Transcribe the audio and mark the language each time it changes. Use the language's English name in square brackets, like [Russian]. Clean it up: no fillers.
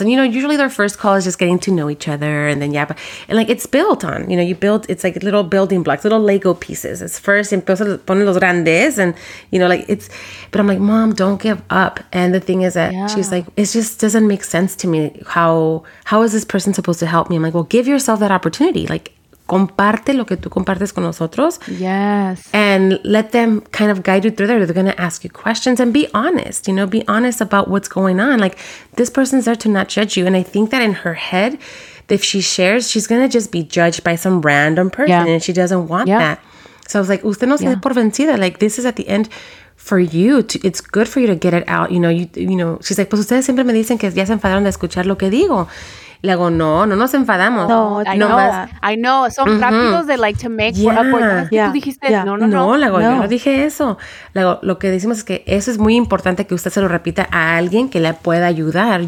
[English] And, you know, usually their first call is just getting to know each other. And then, yeah, but, and like, it's built on, you know, it's like little building blocks, little Lego pieces. It's first, [Spanish] empieza poner los grandes. [English] And, you know, like, it's, but I'm like, mom, don't give up. And the thing is that she's like, it just doesn't make sense to me. How is this person supposed to help me? I'm like, well, give yourself that opportunity. [Spanish] Like, comparte lo que tú compartes con nosotros. [English] Yes. And let them kind of guide you through there. They're going to ask you questions and be honest, you know, be honest about what's going on. Like, this person's there to not judge you. And I think that in her head, if she shares, she's going to just be judged by some random person and she doesn't want that. So I was like, [Spanish] usted no se por vencida. [English] Like, this is at the end for you. It's good for you to get it out. You know, you know, she's like, [Spanish] pues ustedes siempre me dicen que ya se enfadaron de escuchar lo que digo. Le hago, no nos enfadamos. [English] I know. [Spanish] Son rápidos de, [English] like, to make up for that. [Spanish] Tú dijiste, no. Le hago, yo no dije eso. Le hago, lo que decimos es que eso es muy importante que usted se lo repita a alguien que le pueda ayudar.